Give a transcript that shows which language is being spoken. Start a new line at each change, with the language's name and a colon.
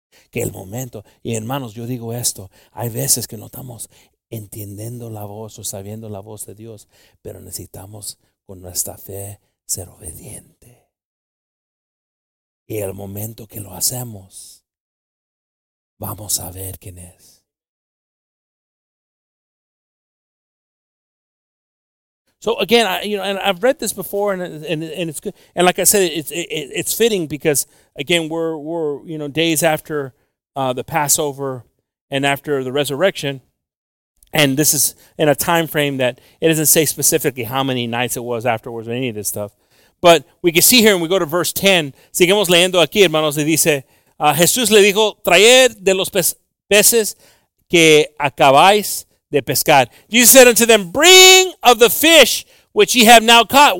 Spanish: Que el momento, y hermanos, yo digo esto, hay veces que no estamos entendiendo la voz o sabiendo la voz de Dios, pero necesitamos con nuestra fe ser obediente. Y el momento que lo hacemos, vamos a ver quién es.
English: So again, I've read this before, and it's good. And like I said, it's fitting because again, we're you know, days after the Passover and after the resurrection, and this is in a time frame that it doesn't say specifically how many nights it was afterwards or any of this stuff. But we can see here, and we go to verse 10.
Spanish: Seguimos leyendo aquí, hermanos. Y dice, Jesús le dijo, traer de los peces que acabáis de pescar.
English: Jesus said unto them, bring of the fish which ye have now caught.